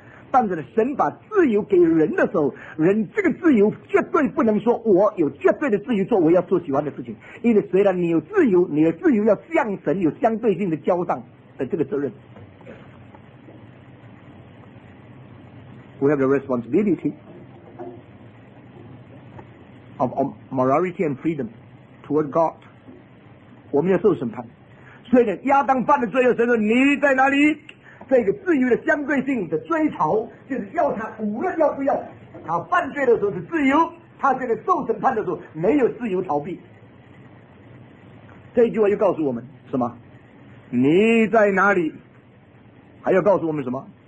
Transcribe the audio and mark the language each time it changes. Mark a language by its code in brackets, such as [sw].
[zh] 但是呢，神把自由给人的时候，人这个自由绝对不能说我有绝对的自由做我要做喜欢的事情，因为虽然你有自由，你的自由要向神有相对性的交上的这个责任。 [en] We have the responsibility of morality and freedom toward God。 [zh] 我们要受审判。所以呢，亚当犯了罪后，神说你在哪里，这个自由的相对性的追讨，就是要他无论要不要，他犯罪的时候是自由，他现在受审判的时候没有自由逃避。这一句话又告诉我们什么？你在哪里，还要告诉我们什么？